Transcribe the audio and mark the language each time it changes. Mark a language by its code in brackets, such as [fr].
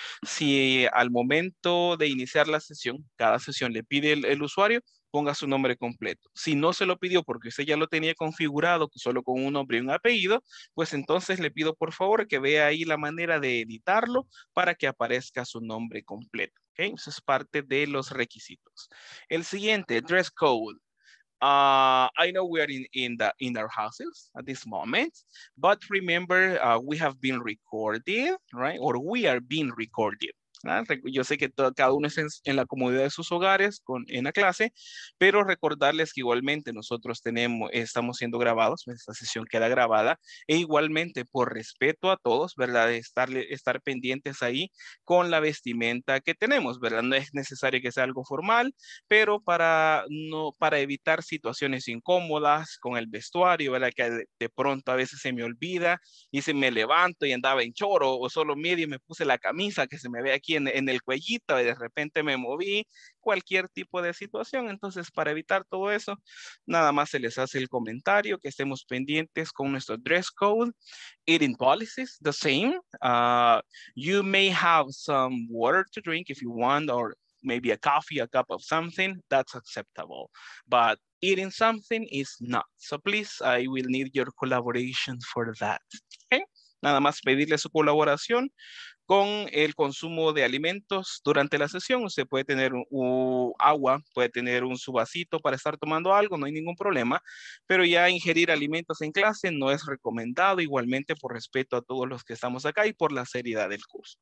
[es] Si al momento de iniciar la sesión, cada sesión le pide el usuario, ponga su nombre completo. Si no se lo pidió porque usted ya lo tenía configurado solo con un nombre y un apellido, pues entonces le pido por favor que vea ahí la manera de editarlo para que aparezca su nombre completo. ¿Okay? Eso es parte de los requisitos. El siguiente, dress code. [en] I know we are in our houses at this moment, but remember we have been recorded, right? Or we are being recorded. [es] Yo sé que cada uno es en la comodidad de sus hogares en la clase, pero recordarles que igualmente nosotros estamos siendo grabados, esta sesión queda grabada, e igualmente por respeto a todos, ¿verdad? Estar pendientes ahí con la vestimenta que tenemos, ¿verdad? No es necesario que sea algo formal, pero para evitar situaciones incómodas con el vestuario, ¿verdad? Que de pronto a veces se me olvida y se me levanto y andaba en choro o solo medio y me puse la camisa que se me ve aquí aquí en el cuellito y de repente me moví, cualquier tipo de situación. Entonces, para evitar todo eso, nada más se les hace el comentario que estemos pendientes con nuestro dress code, [en] eating policies, the same. You may have some water to drink if you want, or maybe a coffee, a cup of something, that's acceptable. But eating something is not. So please, I will need your collaboration for that. Okay? [es] Nada más pedirle su colaboración con el consumo de alimentos durante la sesión. Usted puede tener agua, puede tener su vasito para estar tomando algo, no hay ningún problema. Pero ya ingerir alimentos en clase no es recomendado, igualmente por respeto a todos los que estamos acá y por la seriedad del curso.